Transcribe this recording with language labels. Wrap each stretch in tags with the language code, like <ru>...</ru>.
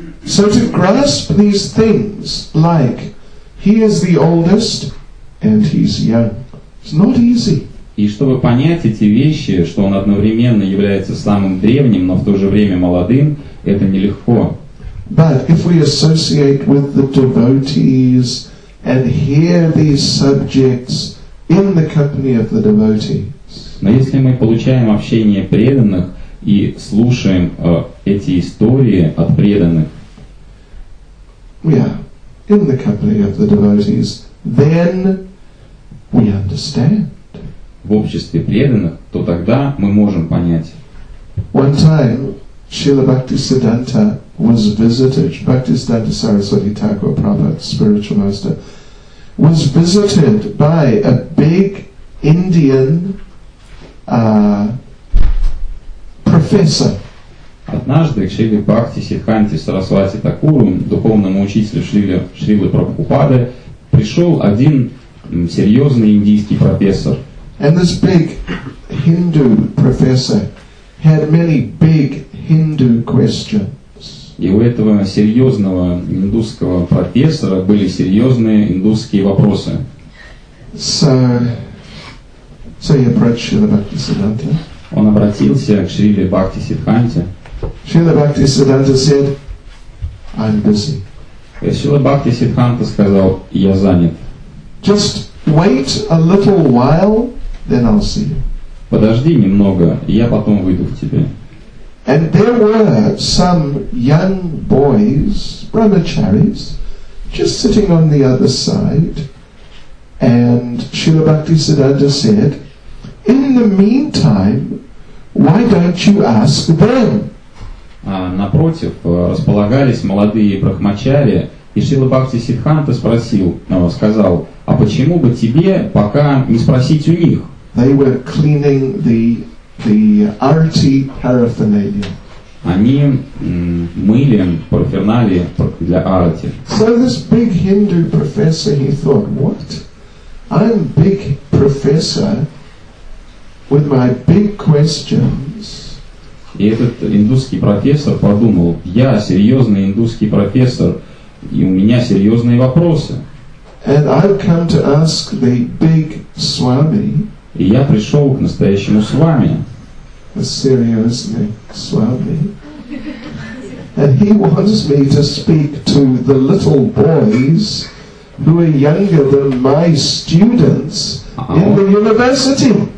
<en>So to grasp these things like he is the oldest and he's young, it's not easy.</en> <ru>И чтобы понять эти вещи, что он одновременно является самым древним, но в то же время молодым, это нелегко.</ru> <en>But if we associate with the devotees and hear these subjects in the company of the devotees.</en> <ru>Но если мы получаем общение преданных и слушаем эти истории от преданных.</ru> <en>Yeah, in the company of the devotees, then we understand.</en> <ru>В обществе преданных, то тогда мы можем понять.</ru> <en>One time, Srila Bhaktisiddhanta was visited, Bhaktisiddhanta Saraswati Thakur, Prabhupada, spiritual master, was visited by a big Indian professor.</en> <ru>Однажды Шрила Бхактисиддханте Сарасвати Такуру, духовному учителю Шрилы Прабхупады, пришел один серьезный индийский профессор.</ru> <en>And this big Hindu professor had many big Hindu questions.</en> <ru>И у этого серьезного индусского профессора были серьезные индусские вопросы.</ru> <en>So he approached Srila Bhaktisiddhanta.</en> <ru>Он обратился к Шриле Бхактисиддханте.</ru> <en>Srila Bhaktisiddhanta said, "I'm busy."</en> <ru>И Шрила Бхактисиддханта сказал, "Я занят."</ru> <en>Just wait a little while. Then I'll see you.</en> <ru>Подожди немного, я потом выйду к тебе.</ru> <en>And there were some young boys, brahmacharis, just sitting on the other side. And Srila Bhaktisiddhanta said, "In the meantime, why don't you ask them?"</en> <ru>А напротив располагались молодые брахмачари, и Шрила Бхактисиддханта сказал, "А почему бы тебе пока не спросить у них?"</ru> <en>They were cleaning the arti paraphernalia.</en> <ru>Они мыли параферналии для арти.</ru> <en>So this big Hindu professor, he thought, what? I'm big professor with my big questions.</en> <ru>И этот индусский профессор подумал, я серьезный индусский профессор, и у меня серьезные вопросы.</ru> <en>And I've come to ask the big Swami.</en> <ru>И я пришел к настоящему Свами.</ru> <en>Seriously, Swami. And he wants me to speak to the little boys who are younger than my students in the university.</en>